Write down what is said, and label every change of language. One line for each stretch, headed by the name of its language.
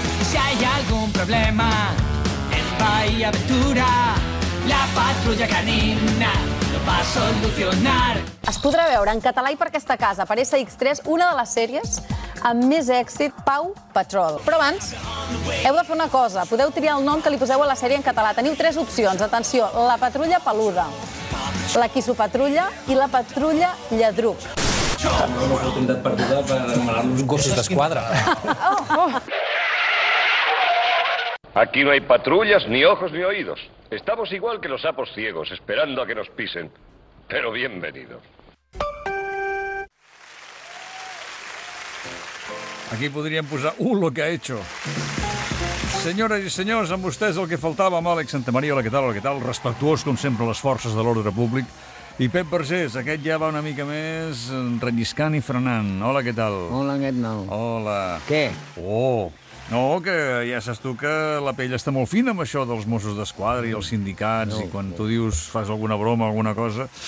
Spanish: Si hay algún problema en Bahía Aventura, la patrulla canina lo va a solucionar.
Catalan: Es podrà veure en català i per aquesta casa, per SX3, una de les sèries amb més èxit, Pau Patrol. Però abans, heu de fer una cosa. Podeu triar el nom que li poseu a la sèrie en català. Teniu tres opcions. Atenció, la patrulla peluda, la quissopatrulla i la patrulla lladruc. També una oportunitat perduda per anomenar-los gossos d'esquadra.
Spanish: Aquí no hay patrullas, ni ojos, ni oídos. Estamos igual que los sapos ciegos, esperando a que nos pisen. Pero bienvenido.
Catalan: Aquí podríem posar
Spanish: lo que ha hecho.
Catalan: Senyores i senyors, amb vostès el que faltava, amb Àlex Santamaria, hola, què tal? Respectuós, com sempre, les forces de l'ordre públic. I Pep Vergés, aquest ja va una mica més relliscant i frenant. Hola, què tal? Hola, aquest nou. Hola. Què? Oh, no, que ja saps tu que la pell està molt fina amb això dels Mossos d'Esquadra i els sindicats, no, i quan tu dius, fas alguna broma, alguna cosa.